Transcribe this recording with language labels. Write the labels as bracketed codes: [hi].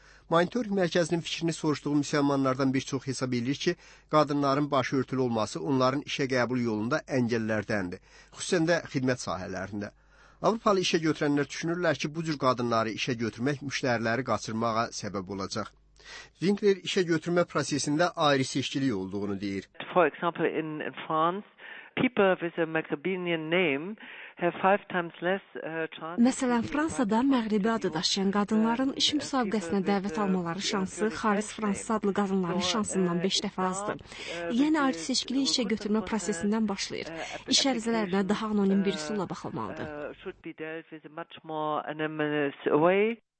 [az] Monitoring mərkəzinin fikrini soruşduğu müsəlmanlardan bir çox hesab edir ki, qadınların başı örtülü olması onların işə qəbul yolunda əngəllərdəndir, xüsusən də xidmət sahələrində. Avropalı işə götürənlər düşünürlər ki, bu cür qadınları işə götürmək müştəriləri qaçırmağa səbəb olacaq. Winkler işə götürmə prosesində ayrı seçkilik olduğunu deyir. [en] For example, in France, people with a Maghrebian name have 5 times less chance. [az] Məsələn, Fransada Məğribi adı daşıyan qadınların iş müsabiqəsinə dəvət almaları şansı xaric Fransız adlı qadınların şansından 5 dəfə azdır. Yəni ayrı seçkilik işə götürmə prosesindən başlayır. İş ərizələrinə daha anonim bir üsulla baxılmalıdır.